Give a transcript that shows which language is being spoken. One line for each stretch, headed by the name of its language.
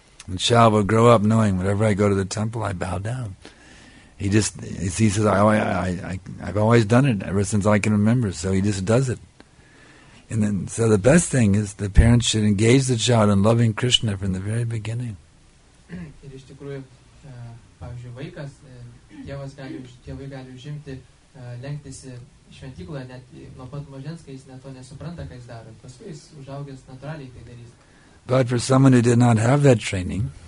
English: And the child will grow up knowing, whenever I go to the temple, I bow down. He says, I've always done it ever since I can remember. So he just does it. And then, so the best thing is the parents should engage the child in loving Krishna from the very beginning.
Lithuanian: Ir iš tikrųjų, pavyzdžiui, vaikas, tėvas gali, tėvai gali užimti, lenktis šventyklą, net nuo pat mažens, kai jis net to nesupranta, ką jis daro. Paskui jis užaugęs natūraliai tai darys.
English: But for someone who did not have that training,